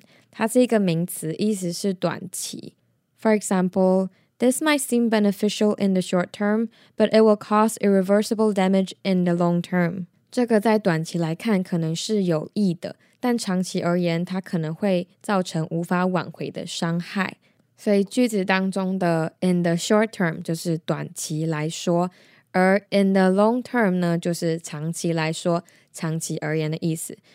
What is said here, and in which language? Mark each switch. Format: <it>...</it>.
<zh>它是一个名词，意思是短期。</zh> <en>For example,This might seem beneficial in the short term, but it will cause irreversible damage in the long term.</en> <zh>这个在短期来看可能是有益的，但长期而言它可能会造成无法挽回的伤害。所以句子当中的</zh> <en>in the short term</en> <zh>就是短期来说，而</zh> <en>in the long term</en> <zh>呢就是长期来说，长期而言的意思。</zh>